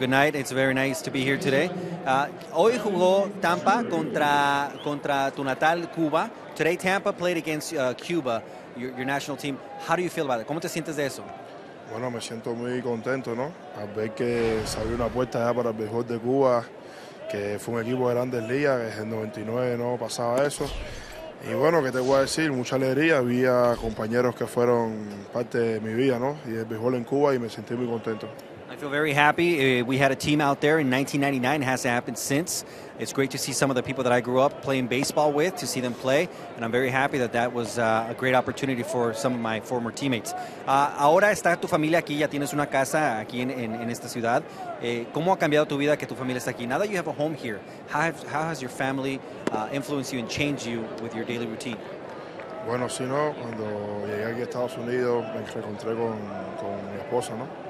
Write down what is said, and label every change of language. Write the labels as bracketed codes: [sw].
[en] Good night, it's very nice to be here today. [es] Hoy jugó Tampa contra tu natal Cuba. [en] Today Tampa played against Cuba, your national team. How do you feel about it? ¿Cómo te sientes de eso? [es] Bueno, me siento muy contento, ¿no? A ver que se abrió una puerta ya para el mejor de Cuba, que fue un equipo de grandes ligas, que en 99 no pasaba eso. Y bueno, ¿qué te voy a decir? Mucha alegría. Había compañeros que fueron parte de mi vida, ¿no? Y el béisbol en Cuba, y me sentí muy contento. [en] I feel very happy. We had a team out there in 1999. It hasn't happened since. It's great to see some of the people that I grew up playing baseball with, to see them play. And I'm very happy that that was a great opportunity for some of my former teammates. [es] Ahora está tu familia aquí. Ya tienes una casa aquí en esta ciudad. ¿Cómo ha cambiado tu vida que tu familia está aquí? [en] Now that you have a home here, how has your family influenced you and changed you with your daily routine? [es] Bueno, si no, cuando llegué aquí a Estados Unidos, me encontré con mi esposa, ¿no?